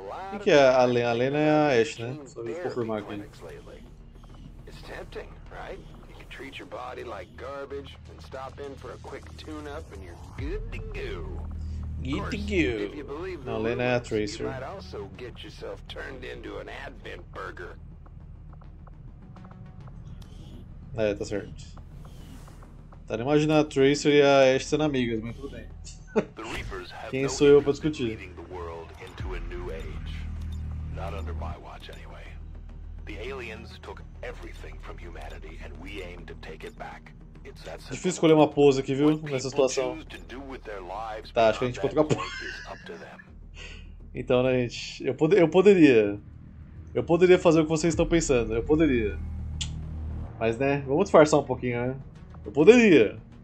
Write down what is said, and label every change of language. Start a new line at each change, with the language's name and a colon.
Portuguese: Quem que é a Lena? A Lena é a Ashe, né? Só vou confirmar aqui.
English: It's tempting, right? Treat your body like garbage and stop in for a quick tune-up and you're good to go. Good to go. If you believe the rumors, you might also get yourself turned into an Advent burger.
Portuguese: É, tá certo. Tá nem imaginando a Tracer e a Ashe sendo amigas, mas tudo bem.
English: The Reapers have
Portuguese: quem no sou eu pra discutir?
English: Leading the world into a new age. Not under my watch, anyway. The aliens took everything from humanity and we aim to take it back. It's that simple.
Portuguese: Difícil escolher uma pose aqui, viu, nessa situação. Tá, acho que a gente pode trocar pose. Então, né, gente, eu poderia. Eu poderia fazer o que vocês estão pensando, eu poderia. Mas, né, vamos disfarçar um pouquinho, né? Eu poderia.